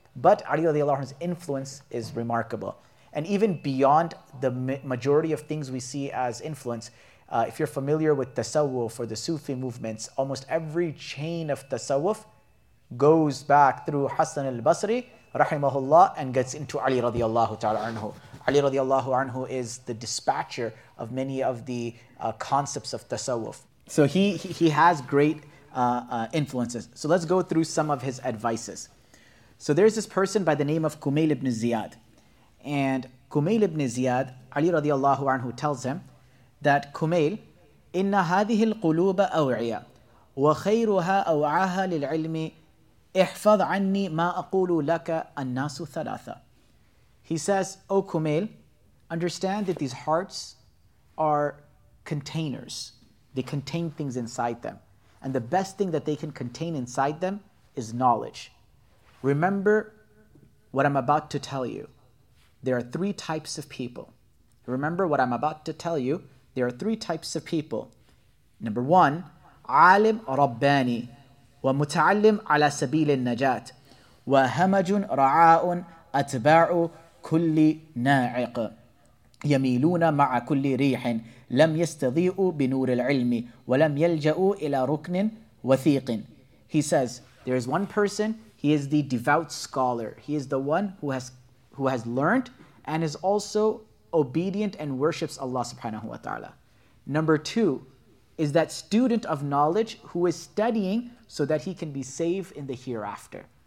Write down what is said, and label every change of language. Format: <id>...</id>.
<en>But Ali radiallahu anhu's influence is remarkable. And even beyond the majority of things we see as influence, if you're familiar with tasawwuf or the Sufi movements, almost every chain of tasawwuf goes back through Hassan al-Basri, rahimahullah, and gets into Ali radiallahu ta'ala anhu. Ali radiallahu anhu is the dispatcher of many of the concepts of tasawwuf. So he has great influences. So let's go through some of his advices. So there's this person by the name of Kumail ibn Ziyad. And Kumail ibn Ziyad, Ali radiallahu anhu tells him that Kumail,</en> <ar>إِنَّ هَذِهِ الْقُلُوبَ أَوْعِيَ وَخَيْرُهَا أَوْعَاهَا لِلْعِلْمِ احفظ عني ما أقول لك الناس ثلاثة.</ar> <en>He says, O Kumail, understand that these hearts are containers. They contain things inside them. And the best thing that they can contain inside them is knowledge. Remember what I'm about to tell you. There are three types of people. Remember what I'm about to tell you. There are three types of people. Number one,</en> <ar>عالم رباني ومتعلم على سبيل النجاة وهمج رعاء أتباع كل ناعق يميلون مع كل ريح لم يستضيئوا بنور العلم ولم يلجأوا إلى ركن وثيق.</ar> <en>He says, there is one person, he is the devout scholar. He is the one who has learned and is also obedient and worships Allah subhanahu wa ta'ala. Number two is that student of knowledge who is studying so that he can be saved in the hereafter.</en>